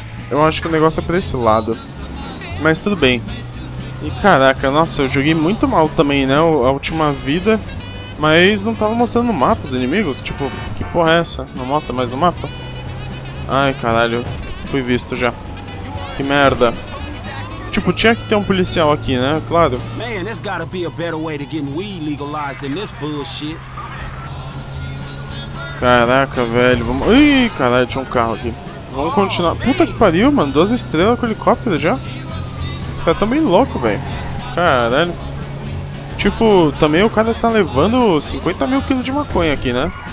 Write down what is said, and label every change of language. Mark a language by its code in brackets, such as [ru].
[pt] Eu acho que o negócio é pra esse lado. Mas tudo bem. E caraca, nossa, eu joguei muito mal também, né? A última vida. Mas não tava mostrando no mapa os inimigos. Tipo, que porra é essa? Não mostra mais no mapa? Ai, caralho. Fui visto já. Que merda. Tipo, tinha que ter um policial aqui, né? Claro. [en] Man, there's gotta be a better way to get weed legalized than this bullshit. [pt] Caraca, velho. Ih, caralho, tinha um carro aqui. Vamos continuar. Puta que pariu, mano. 2 estrelas com helicóptero já? Esse cara tá meio louco, velho. Caralho. Tipo, também o cara tá levando 50 mil quilos de maconha aqui, né?